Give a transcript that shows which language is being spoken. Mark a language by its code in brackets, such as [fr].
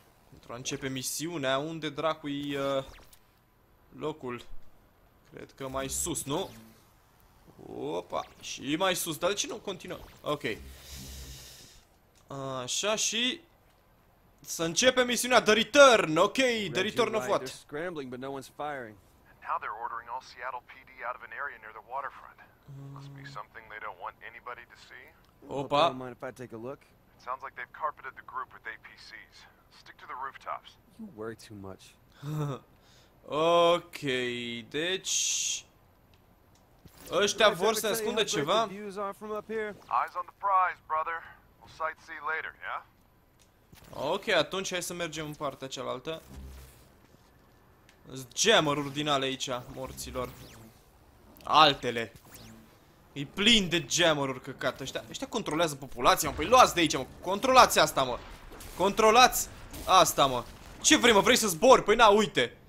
[ro] Pentru a începe misiunea, unde dracu-i locul? Cred că mai sus, nu? Opa, și mai sus. Dar de ce nu continuăm? Ok. Așa și... să începe misiunea, The Return. [en] Ok, The Return of what? They're scrambling, but no one's firing. How they're ordering all Seattle PD out of an area near the waterfront. Must be something they don't want anybody to see. Opa. Don't mind if I take a look? It sounds like they've carpeted the group with APCs. Stick to the rooftops. You worry too much. Ok, deci... [ro] ăștia vor să ascundă ceva? [en] Eyes on the prize, brother. We'll sightsee later, yeah? [ro] Ok, atunci hai să mergem în partea cealaltă. Gemuri din alea aici, morților. Altele. E plin de gemuri, căcat. Ăștia controlează populația, mă. Păi luați de aici, mă. Controlați asta, mă. Controlați asta, mă. Ce vrei, mă? Vrei să zbori? Păi na, uite.